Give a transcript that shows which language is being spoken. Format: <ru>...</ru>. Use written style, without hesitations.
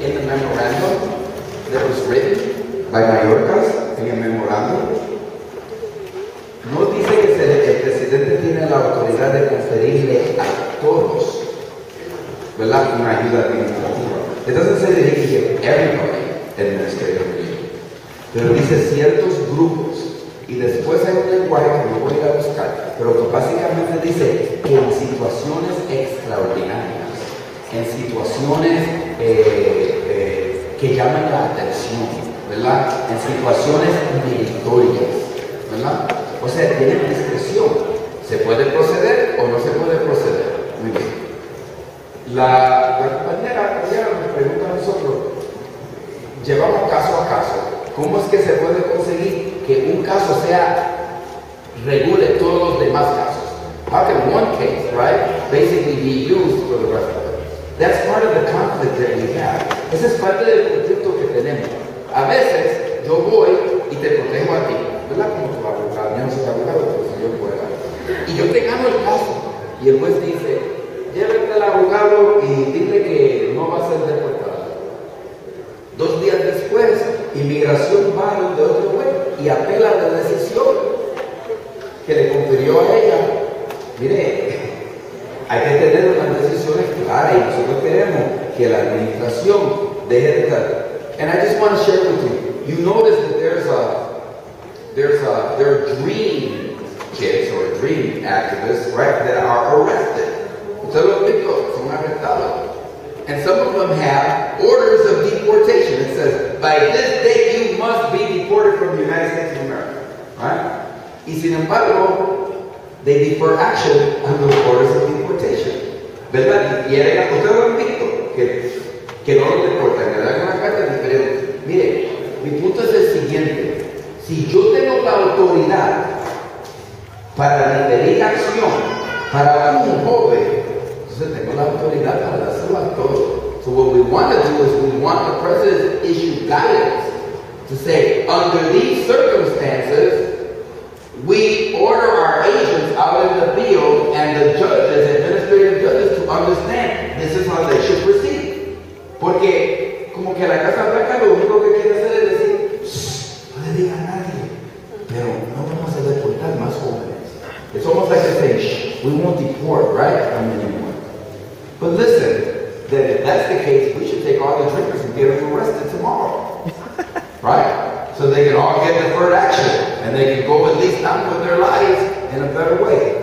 <en>In the memorandum that was written by Mayorkas, in a memorandum,</en> <es>no dice que el presidente tiene la autoridad de conferirle a todos, ¿verdad? Una ayuda administrativa.</es> <en>It doesn't say that he can give everybody administrative relief.</en> <es>Pero dice ciertos grupos. Y después hay un lenguaje que no voy a ir a buscar, pero que básicamente dice que en situaciones extraordinarias, en situaciones que llaman la atención, ¿verdad? En situaciones meritorias, ¿verdad? O sea, tiene discreción. ¿Se puede proceder o no se puede proceder? Muy bien. La compañera me pregunta a nosotros, llevamos caso a caso, ¿cómo es que se puede conseguir que un caso sea, regule todos los demás casos?</es> <en>How can one case, right, basically be used for the rest of it? That's part of the conflict that we have.</en> <es>Ese es parte del conflicto que tenemos. A veces, yo voy y te protejo a ti. ¿Verdad? Como tu abogado, yo no soy abogado, pero si yo pueda. Y yo te gano el caso. Y el juez dice, llévete al abogado y dile que no va a ser deportado. Dos días después, inmigración va a donde otro juez y apela a la decisión que le confirió a ella. Mire, hay que tener unas decisiones claras y nosotros queremos que la administración deje de estar.</es> <en>And I just want to share with you, you notice that there are dream kids or dream activists, right, that are arrested. And some of them have orders of deportation. It says, by this date you must be deported from the United States of America. Right?</en> <es>Y sin embargo,</es> <en>they defer action under orders of deportation.</en> <es>¿Verdad? Y era otro conflicto que no lo deportan. Me da una carta diferente. Mire, mi punto es el siguiente. Si yo tengo la autoridad para deferir acción para un joven, tengo la autoridad para hacerlo a todos.</es> <en>So what we want to do is we want the president to issue guidance to say, under these circumstances, we order our agents out in the field and the judges, administrative judges, to understand this is how they should proceed.</en> <es>Porque como que la Casa Blanca lo único que quiere hacer es decir, shh, no le diga a nadie, pero no vamos a deportar más jóvenes.</es> <en>It's almost like they say, shh, we won't deport, right? I mean, but listen, that if that's the case, we should take all the drinkers and get them arrested tomorrow. Right? So they can all get deferred action and they can go at least on with their lives in a better way.</en>